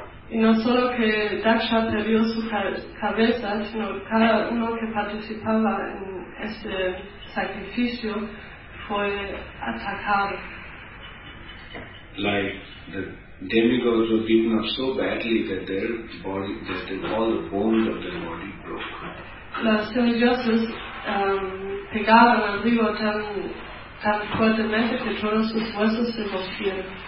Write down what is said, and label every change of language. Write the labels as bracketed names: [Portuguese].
[Spanish] Y no solo que Daksha perdió su cabeza, sino cada uno que participaba en este sacrificio fue atacado. [English] Like the demigods were beaten up so badly that their body, that all the bones of their body broke. [Spanish] Los semidioses pegaban al río tan fuertemente que todos sus huesos se rompieron.